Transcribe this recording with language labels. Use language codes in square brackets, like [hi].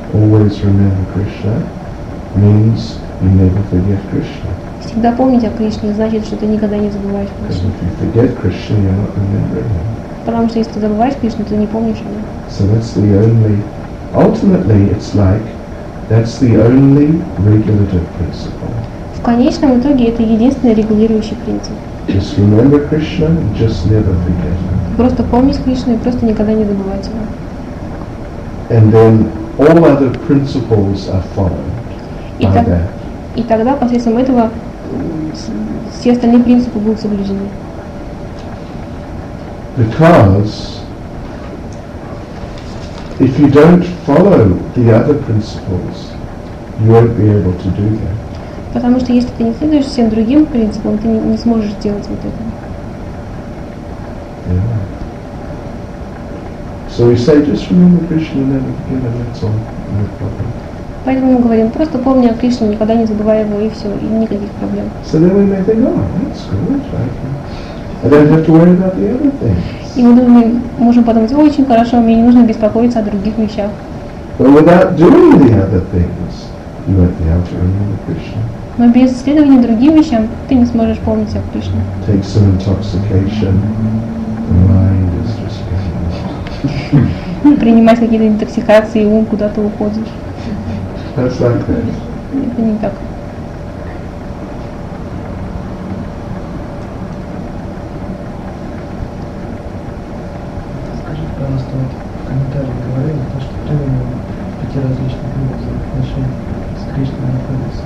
[en] Always remember Krishna means you never forget Krishna. [ru] Всегда помнить о Кришне значит, что ты никогда не забываешь Кришну. [en] If you forget Krishna, you're not remembering him. [ru] Потому что если ты забываешь Кришну, ты не помнишь о нем. [en] So that's the only, ultimately it's like, that's the only regulative principle. [ru] В конечном итоге это единственный регулирующий принцип. [en] Just remember Krishna, just never forget him. [ru] Просто помнить Кришну и просто никогда не забывать его. [en] And then all other principles are followed by that. [ru] И тогда, посредством этого, все остальные принципы будут соблюдены. [en] Because if you don't follow the other principles, you won't be able to do that. [ru] Потому что если ты не следуешь всем другим принципам, ты не сможешь сделать вот это. [en] Yeah. So we say, just remember Krishna, and then that's all, no problem. [ru] Поэтому мы говорим, просто помни о Кришне, никогда не забывай его, и все, и никаких проблем. [en] So then we may think, oh, that's good, right? I don't have to worry about the other things. [ru] И мы думаем, можем подумать, очень хорошо, мне не нужно беспокоиться о других вещах. [en] But without doing the other things, you won't be able to remember Krishna. [ru] Но без следования другим вещам, ты не сможешь помнить о Кришне. [en] Take some intoxication, the mind is just getting lost. [ru] Принимать какие-то интоксикации, и ум куда-то уходит. [en] That's like that. [ru] Это не так. Скажите, пожалуйста, вот в комментариях говорили, то, что три пяти различных групп взаимоотношений с Кришной находится.